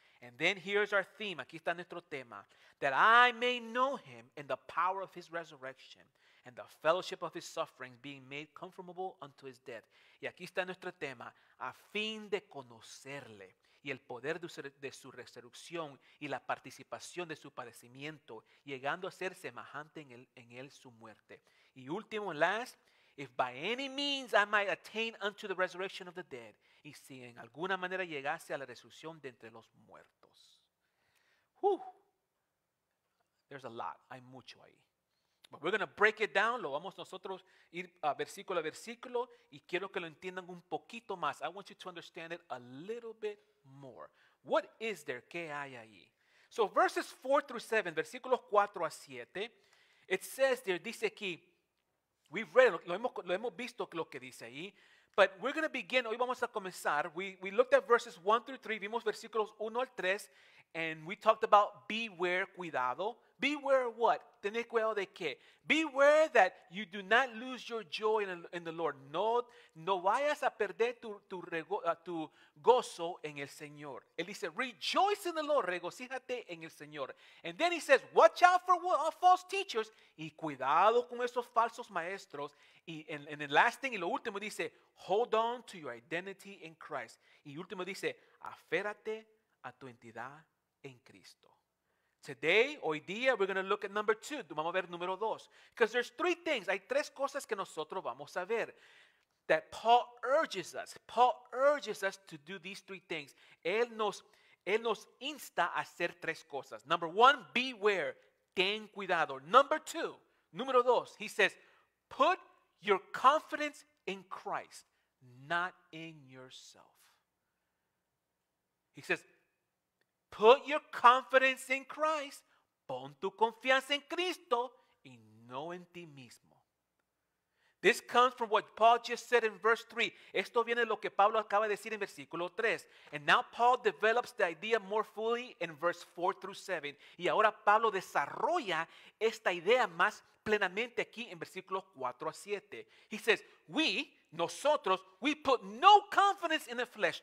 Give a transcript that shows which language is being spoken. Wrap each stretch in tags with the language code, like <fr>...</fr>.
<en>And then here's our theme.</en> <es>Aquí está nuestro tema.</es> <en>That I may know him in the power of his resurrection and the fellowship of his sufferings being made conformable unto his death.</en> <es>Y aquí está nuestro tema. A fin de conocerle y el poder de su resurrección y la participación de su padecimiento, llegando a ser semejante en él su muerte. Y último,</es> <en>and last, if by any means I might attain unto the resurrection of the dead,</en> <es>y si en alguna manera llegase a la resurrección de entre los muertos.</es> <en>Whew. There's a lot.</en> <es>Hay mucho ahí.</es> <en>But we're going to break it down.</en> <es>Lo vamos nosotros ir versículo a versículo y quiero que lo entiendan un poquito más.</es> <en>I want you to understand it a little bit more. What is there?</en> <es>¿Qué hay ahí?</es> <en>So verses 4 through 7,</en> <es>versículos 4 a 7,</es> <en>it says there,</en> <es>dice aquí,</es> <en>we've read it,</en> <es>lo hemos visto lo que dice ahí,</es> <en>but we're going to begin,</en> <es>hoy vamos a comenzar,</es> <en>we looked at verses 1 through 3,</en> <es>vimos versículos 1 al 3,</es> <en>and we talked about beware,</en> <es>cuidado.</es> <en>Beware what?</en> <es>Tener cuidado de qué?</es> <en>Beware that you do not lose your joy in the Lord.</en> <es>No vayas a perder tu gozo en el Señor. Él dice,</es> <en>rejoice in the Lord,</en> <es>regocíjate en el Señor.</es> <en>And then he says, watch out for false teachers.</en> <es>Y cuidado con esos falsos maestros.</es> <en>And the last thing,</en> <es>y lo último dice,</es> <en>hold on to your identity in Christ.</en> <es>Y último dice, aférrate a tu identidad en Cristo.</es> <en>Today,</en> <es>hoy día,</es> <en>we're going to look at number two.</en> <es>Vamos a ver número dos.</es> <en>Because there's three things.</en> <es>Hay tres cosas que nosotros vamos a ver.</es> <en>That Paul urges us. Paul urges us to do these three things.</en> <es>Él nos insta a hacer tres cosas.</es> <en>Number one, beware.</en> <es>Ten cuidado.</es> <en>Number two,</en> <es>número dos,</es> <en>he says, put your confidence in Christ, not in yourself. He says, put your confidence in Christ.</en> <es>Pon tu confianza en Cristo y no en ti mismo.</es> <en>This comes from what Paul just said in verse 3.</en> <es>Esto viene de lo que Pablo acaba de decir en versículo 3.</es> <en>And now Paul develops the idea more fully in verse 4 through 7.</en> <es>Y ahora Pablo desarrolla esta idea más plenamente aquí en versículos 4 a 7.</es> <en>He says, nosotros, we put no confidence in the flesh.</en>